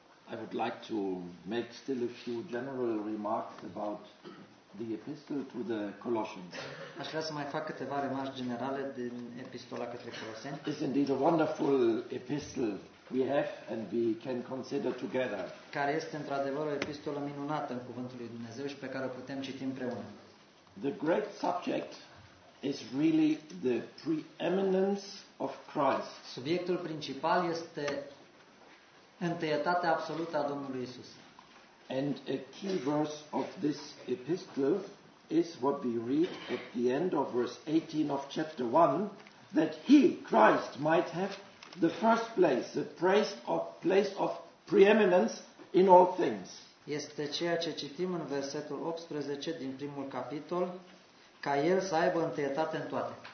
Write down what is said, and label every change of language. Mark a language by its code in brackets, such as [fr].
[en] I'd like to make still a few general remarks about the epistle to the Colossians. [ro] Aș vrea să mai fac câteva remarci generale din epistola către Coloseni. [en] It's indeed a wonderful epistle we have and we can consider together. [ro] Care este într-adevăr o epistolă minunată în cuvântul lui Dumnezeu și pe care o putem citi împreună. [en] The great subject is really the preeminence of Christ. [ro] Subiectul principal este întâietatea absolută a Domnului Isus. [en] And a key verse of this epistle is what we read at the end of verse 18 of chapter 1, that he, Christ, might have the first place, the place of preeminence in all things. [ro] Este ceea ce citim în versetul 18 din primul capitol, ca el să aibă întâietate în toate.